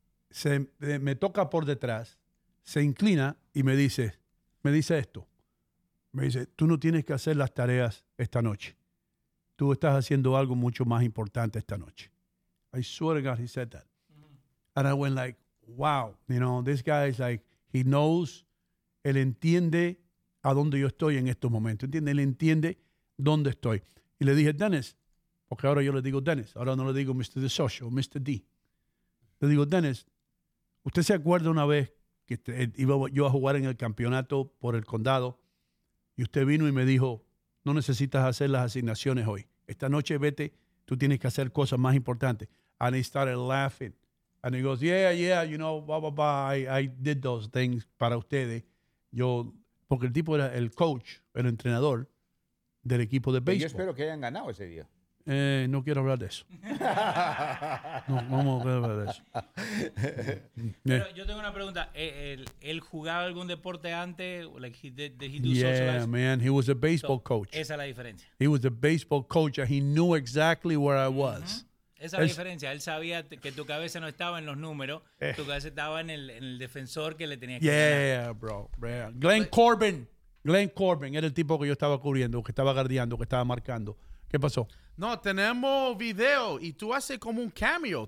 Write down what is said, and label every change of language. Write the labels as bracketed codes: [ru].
[es] Se me toca por detrás, se inclina y me dice esto. Me dice, tú no tienes que hacer las tareas esta noche. Tú estás haciendo algo mucho más importante esta noche. [en] I swear to God, he said that. Mm-hmm. And I went like, wow. You know, this guy is like, he knows. [es] Él entiende a dónde yo estoy en estos momentos. ¿Entiende? Él entiende dónde estoy. Y le dije, Dennis, porque ahora yo le digo Dennis. Ahora no le digo Mr. DeSocio, Mr. D. Le digo, Dennis, ¿usted se acuerda una vez que iba yo a jugar en el campeonato por el condado? Y usted vino y me dijo, no necesitas hacer las asignaciones hoy. Esta noche vete, tú tienes que hacer cosas más importantes. [en] And he started laughing. And he goes, yeah, yeah, you know, blah, blah, blah. I did those things [es] para ustedes. Yo, porque el tipo era el coach, el entrenador del equipo de béisbol. Yo espero que hayan ganado ese día. No quiero hablar de eso. No, vamos a hablar de eso. Pero yo tengo una pregunta. ¿Él jugaba algún deporte antes? [en] Like did he do yeah, social life? Man, he was a baseball coach. [es] Esa es la diferencia. [en] He was a baseball coach and he knew exactly where I was. [es] Uh-huh. Esa es la diferencia. Él sabía que tu cabeza no estaba en los números. Tu cabeza estaba en el defensor que le tenías que [en] ganar. Yeah, bro. [es] Glenn Corbin era el tipo que yo estaba cubriendo, que estaba guardiando, que estaba marcando. ¿Qué pasó? No, tenemos video y tú haces como un cameo.